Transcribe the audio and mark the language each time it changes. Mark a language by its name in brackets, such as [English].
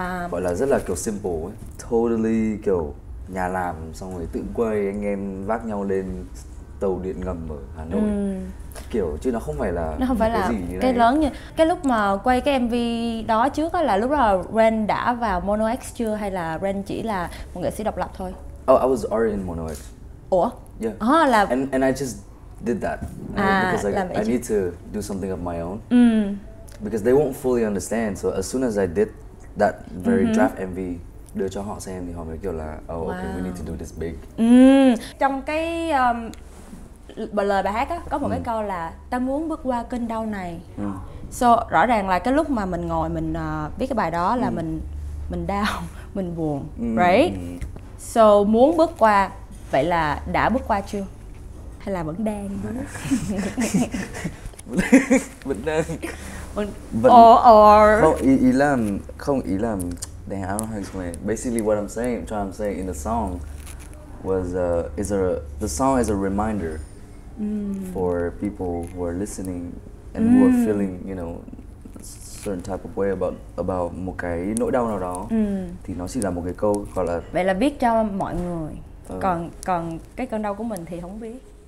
[Vietnamese] Gọi là rất là kiểu simple ấy. Totally kiểu nhà làm, xong rồi tự quay, anh em vác nhau lên tàu điện ngầm ở Hà Nội. Kiểu chứ nó không phải là nó không phải là gì cái này. Lớn như cái lúc mà quay cái MV đó trước á, là lúc đó Ren đã vào Mono X chưa hay là Ren chỉ là một nghệ sĩ độc lập thôi? [English] Oh, I was already in Mono X. [Vietnamese] Ủa? [English] Yeah. [Vietnamese] Oh, là [English] and I just did that because like, I need to do something of my own. Because they won't fully understand. So as soon as I did that very draft MV, [Vietnamese] đưa cho họ xem thì họ mới kiểu là [English] oh wow. Okay, we need to do this big. [Vietnamese] Trong cái lời bài hát á, có một cái câu là ta muốn bước qua cơn đau này. So rõ ràng là cái lúc mà mình ngồi mình viết cái bài đó là mình đau, mình buồn, right? So muốn bước qua, vậy là đã bước qua chưa? Hay là vẫn đang? Vẫn đang. [English] Or [Vietnamese] không, ý là không, ý là [English] damn, I don't know how to explain. Basically what I'm saying, trying to say in the song was the song is a reminder for people who are listening and who are feeling, you know, a certain type of way about [Vietnamese] một cái nỗi đau nào đó. Thì nó chỉ là một cái câu gọi là vậy là biết cho mọi người. Còn cái cơn đau của mình thì không biết.